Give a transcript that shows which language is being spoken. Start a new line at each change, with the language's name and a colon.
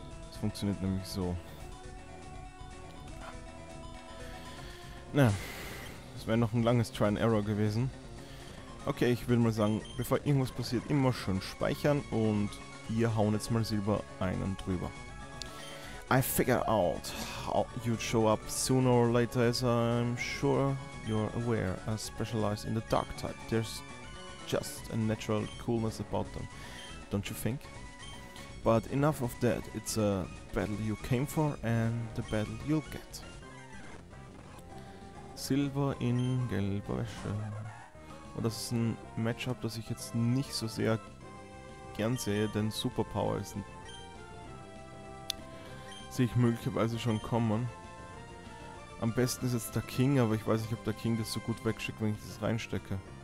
German: Es funktioniert nämlich so. Na, das wäre noch ein langes Try and Error gewesen. Okay, ich würde mal sagen, bevor irgendwas passiert, immer schön speichern und wir hauen jetzt mal Silber einen drüber.
English: I figure out how you'd show up sooner or later, as I'm sure you're aware. I specialize in the dark type. There's just a natural coolness about them, don't you think? But enough of that. It's a battle you came for and the battle you'll get.
German: Silber in gelber Wäsche. Und das ist ein Matchup, das ich jetzt nicht so sehr gern sehe, denn Superpower ist ein... sehe ich möglicherweise schon kommen. Am besten ist jetzt der King, aber ich weiß nicht, ob der King das so gut wegschickt, wenn ich das reinstecke.